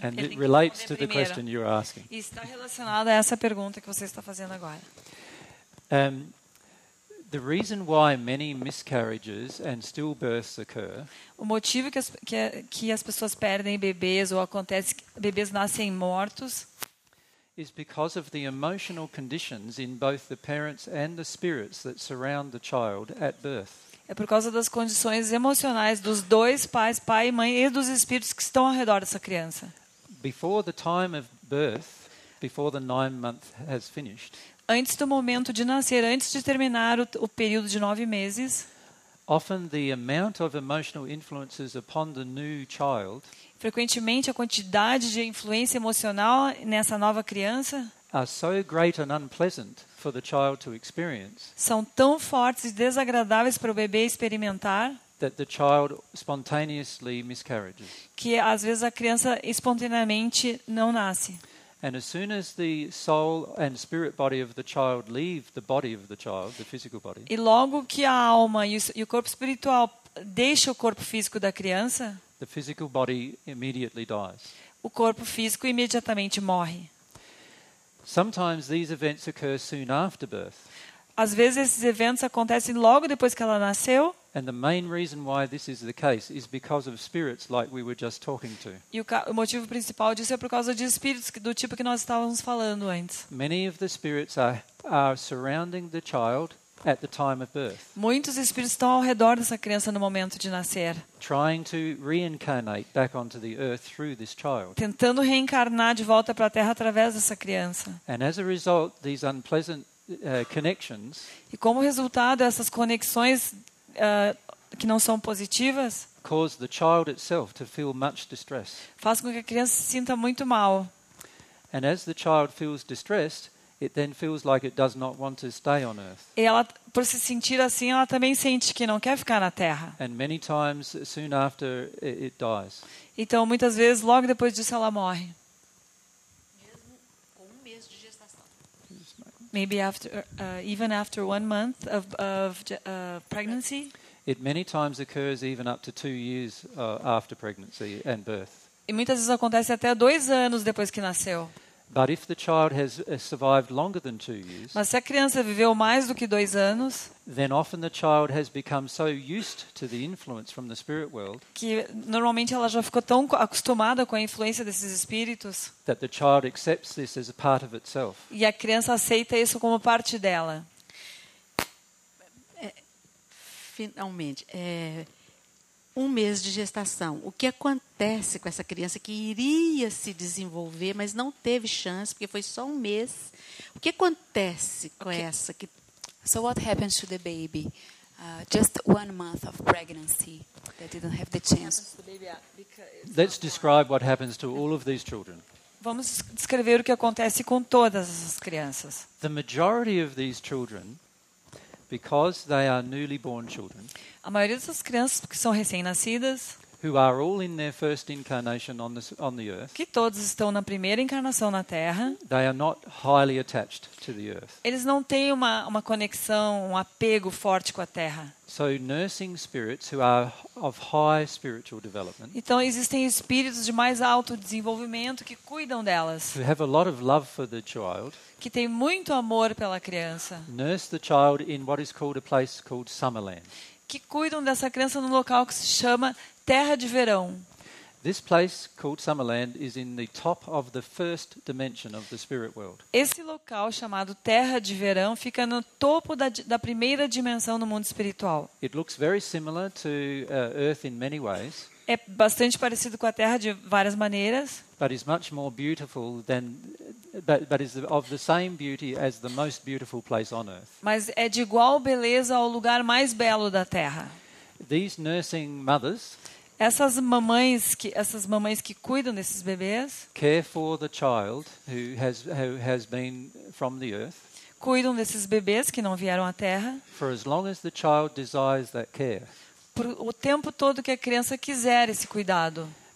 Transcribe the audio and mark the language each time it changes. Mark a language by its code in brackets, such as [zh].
[en] And it relates to the question you're asking. [pt] E está relacionada a essa pergunta que você está fazendo agora. [en] The reason why many miscarriages and stillbirths occur. [pt] O motivo que as pessoas perdem bebês ou acontece bebês nascem mortos. [en] Is because of the emotional conditions in both the parents and the spirits that surround the child at birth. [pt] É por causa das condições emocionais dos dois pais, pai e mãe, e dos espíritos que estão ao redor dessa criança. [en] Before the time of birth, before the 9 month has finished. [pt] Antes do momento de nascer, antes de terminar o período de 9 meses, [en] often the amount of emotional influences upon the new child, [pt] frequentemente a quantidade de influência emocional nessa nova criança, [en] are so great and unpleasant for the child to experience, [pt] são tão fortes e desagradáveis para o bebê experimentar, [en] that the child spontaneously miscarries, [pt] que às vezes a criança espontaneamente não nasce. [en] And as soon as the soul and spirit body of the child leave the body of the child, the physical body. [pt] E logo que a alma e o corpo espiritual deixam o corpo físico da criança, [en] the physical body immediately dies. [pt] O corpo físico imediatamente morre. [en] Sometimes these events occur soon after birth. [pt] Às vezes esses eventos acontecem logo depois que ela nasceu. [en] And the main reason why this is the case is because of spirits like we were just talking to. [pt] E o motivo principal disso é por causa de espíritos do tipo que nós estávamos falando antes. [en] Many of the spirits are surrounding the child at the time of birth. [pt] Muitos espíritos estão ao redor dessa criança no momento de nascer. [en] Trying to reincarnate back onto the earth through this child. [pt] Tentando reencarnar de volta para a Terra através dessa criança. [en] And as a result, these unpleasant connections. [pt] E como resultado, essas conexões que não são positivas, [en] cause the child itself to feel much distress. [pt] Faz com que a criança se sinta muito mal. [en] And as the child feels distressed, it then feels like it does not want to stay on earth. [pt] E ela, por se sentir assim, ela também sente que não quer ficar na Terra. [en] And many times soon after it dies. [pt] Então muitas vezes logo depois disso ela morre. Mesmo [en] maybe after even after 1 month of pregnancy. It many times occurs even up to 2 years after pregnancy and birth. [pt] E muitas vezes acontece até 2 anos depois que nasceu. [en] But if the child has survived longer than 2 years, [pt] mas se a criança viveu mais do que 2 anos, [en] then often the child has become so used to the influence from the spirit world, [pt] que normalmente ela já ficou tão acostumada com a influência desses espíritos, [en] that the child accepts this as a part of itself. [pt] E a criança aceita isso como parte dela. Finalmente, um mês de gestação. O que acontece com essa criança que iria se desenvolver, mas não teve chance porque foi só um mês? O que acontece com essa que? [en] So what happens to the baby? Just 1 month of pregnancy that didn't have the chance. Let's describe what happens to all of these children. [pt] Vamos descrever o que acontece com todas essas crianças. [en] The majority of these children, because they are newly born children, [pt] a maioria dessas crianças que são recém-nascidas, [en] who are all in their first incarnation on the earth, [pt] que todos estão na primeira encarnação na Terra, [en] they are not highly attached to the earth. [pt] Eles não têm uma conexão, um apego forte com a Terra. [en] So nursing spirits who are of high spiritual development, [pt] então existem espíritos de mais alto desenvolvimento que cuidam delas, [en] who have a lot of love for the child, [pt] que têm muito amor pela criança, [en] nurse the child in what is called a place called Summerland, [pt] que cuidam dessa criança num local que se chama Terra de Verão. [en] This place called Summerland is in the top of the first dimension of the spirit world. [pt] Esse local chamado Terra de Verão fica no topo da primeira dimensão do mundo espiritual. [en] It looks very similar to Earth in many ways. [pt] É bastante parecido com a Terra de várias maneiras. [en] But is much more beautiful than, but is of the same beauty as the most beautiful place on Earth. [pt] Mas é de igual beleza ao lugar mais belo da Terra. [en] These nursing mothers, [pt] essas mamães que cuidam desses bebês, [en] care for the child who has been from the earth, [pt] cuidam desses bebês que não vieram à Terra, [en] for as long as the child desires that care, [pt] por o tempo todo que a criança quiser esse cuidado.